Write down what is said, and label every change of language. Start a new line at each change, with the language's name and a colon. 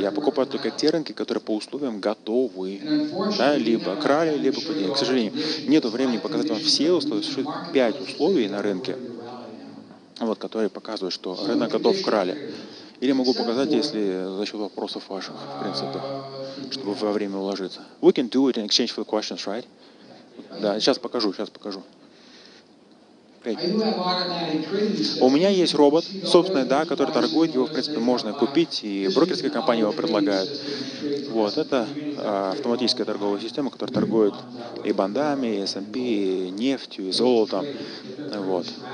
Russian: Я покупаю только те рынки, которые по условиям готовы. Да, либо к ралли, либо к падению. К сожалению, нет времени показать вам все условия. Существует 5 условий на рынке, вот, которые показывают, что рынок готов к ралли. Или могу показать, если за счет вопросов ваших, в принципе, чтобы во время уложиться.
English: We can do it in exchange for the questions, right?
Russian: Да, сейчас покажу. У меня есть робот, собственный, да, который торгует, его, в принципе, можно купить, и брокерская компания его предлагает. Вот, это автоматическая торговая система, которая торгует и бондами, и S&P, и нефтью, и золотом. Вот.